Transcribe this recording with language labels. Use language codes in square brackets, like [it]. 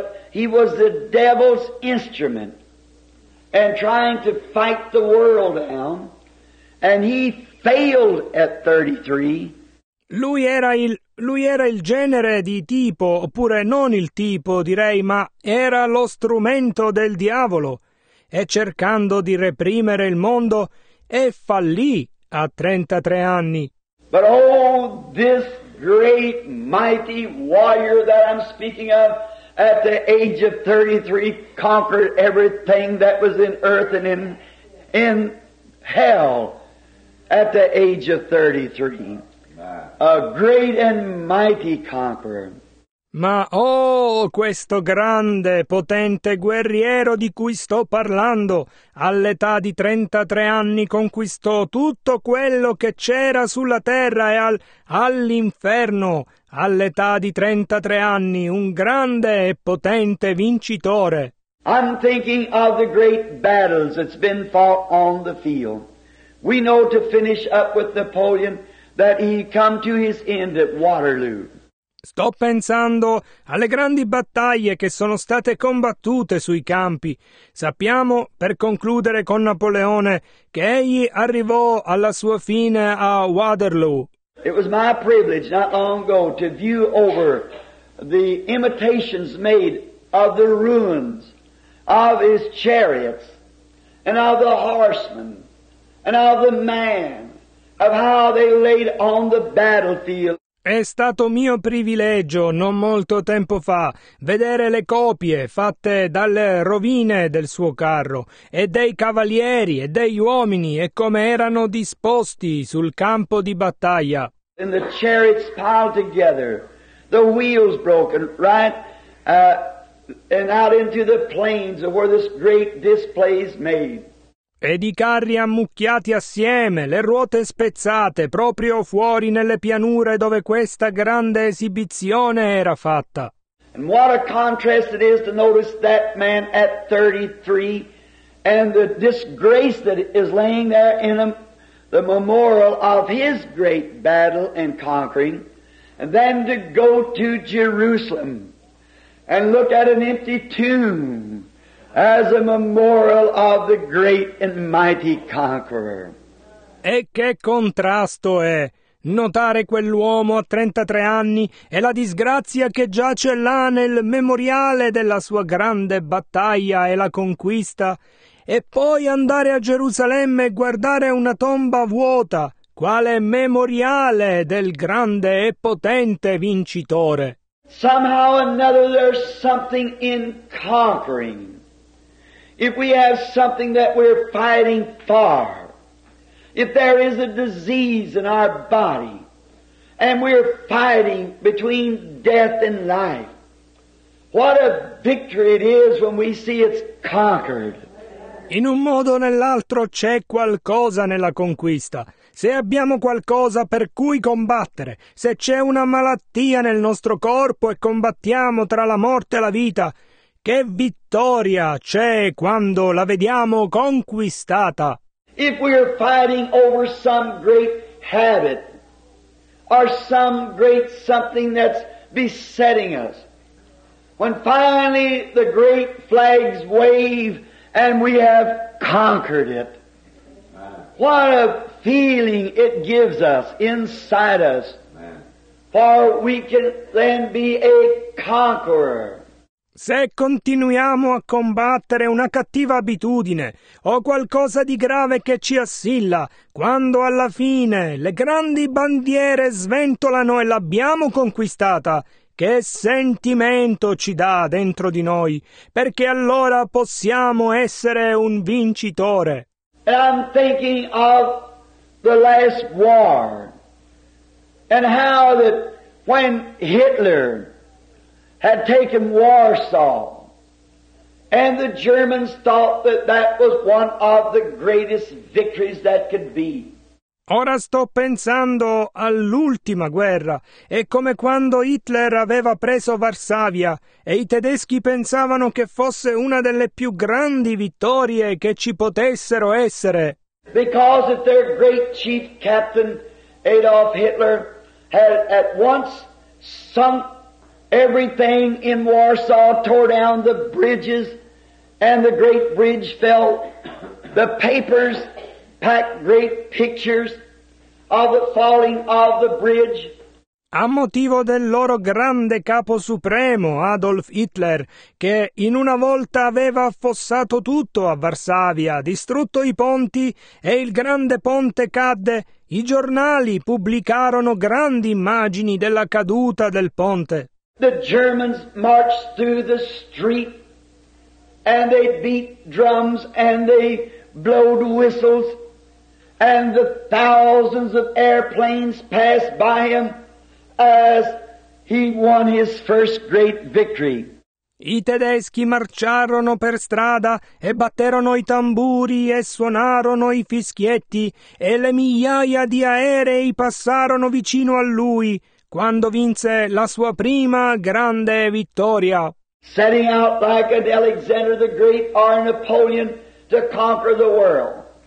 [en] He was the devil's instrument and trying to fight the world down, and he failed at 33. [it] Lui era il genere di tipo, oppure non il tipo, direi, ma era lo strumento del diavolo, e cercando di reprimere il mondo, e fallì a 33 anni. [en] But oh, this great, mighty warrior that I'm speaking of, at the age of 33, conquered everything that was in earth and in hell at the age of 33. A great and mighty conqueror. [it] Ma, oh, questo grande, potente guerriero di cui sto parlando, all'età di 33 anni conquistò tutto quello che c'era sulla terra e all'inferno, all'età di 33 anni, un grande e potente vincitore. [en] I'm thinking of the great battles that's been fought on the field. We know to finish up with Napoleon that he come to his end at Waterloo. [it] Sto pensando alle grandi battaglie che sono state combattute sui campi. Sappiamo, per concludere con Napoleone, che egli arrivò alla sua fine a Waterloo. [en] It was my privilege not long ago to view over the imitations made of the ruins of his chariots and of the horsemen and of the man of how they laid on the battlefield. [it] È stato mio privilegio, non molto tempo fa, vedere le copie fatte dalle rovine del suo carro e dei cavalieri e degli uomini e come erano disposti sul campo di battaglia. [en] And the chariots piled together, the wheels broken, right, and out into the plains where this great display is made. [it] Ed i carri ammucchiati assieme, le ruote spezzate, proprio fuori nelle pianure dove questa grande esibizione era fatta. [en] And what a contrast it is to notice that man at 33 and the disgrace that is laying there in him, the memorial of his great battle and conquering, and then to go to Jerusalem and look at an empty tomb. As a memorial of the great and mighty conqueror. [it] E che contrasto è notare quell'uomo a 33 anni e la disgrazia che giace là nel memoriale della sua grande battaglia e la conquista, e poi andare a Gerusalemme e guardare una tomba vuota, quale memoriale del grande e potente vincitore. [en] Somehow another there's something in conquering. If we have something that we're fighting for, if there is a disease in our body, and we're fighting between death and life, what a victory it is when we see it's conquered. [it] In un modo o nell'altro c'è qualcosa nella conquista. Se abbiamo qualcosa per cui combattere, se c'è una malattia nel nostro corpo e combattiamo tra la morte e la vita, che vittoria c'è quando la vediamo conquistata. [en] If we are fighting over some great habit or some great something that's besetting us, when finally the great flags wave and we have conquered it, what a feeling it gives us inside us, for we can then be a conqueror. [it] Se continuiamo a combattere una cattiva abitudine o qualcosa di grave che ci assilla, quando alla fine le grandi bandiere sventolano e l'abbiamo conquistata, che sentimento ci dà dentro di noi, perché allora possiamo essere un vincitore. [en] And I'm thinking of the last war and how that when Hitler had taken Warsaw, and the Germans thought that that was one of the greatest victories that could be. [it] Ora sto pensando all'ultima guerra, e come quando Hitler aveva preso Varsavia, e i tedeschi pensavano che fosse una delle più grandi vittorie che ci potessero essere. [en] Because of their great chief captain, Adolf Hitler, had at once sunk everything in Warsaw, tore down the bridges, and the great bridge fell. The papers packed great pictures of the falling of the bridge. [it] A motivo del loro grande capo supremo, Adolf Hitler, che in una volta aveva affossato tutto a Varsavia, distrutto i ponti, e il grande ponte cadde, i giornali pubblicarono grandi immagini della caduta del ponte. [en] The Germans marched through the street and they beat drums and they blowed whistles and the thousands of airplanes passed by him as He won his first great victory. [it] I tedeschi marciarono per strada e batterono i tamburi e suonarono i fischietti e le migliaia di aerei passarono vicino a lui quando vinse la sua prima grande vittoria. [en] Setting out like an Alexander the Great or Napoleon to conquer the world.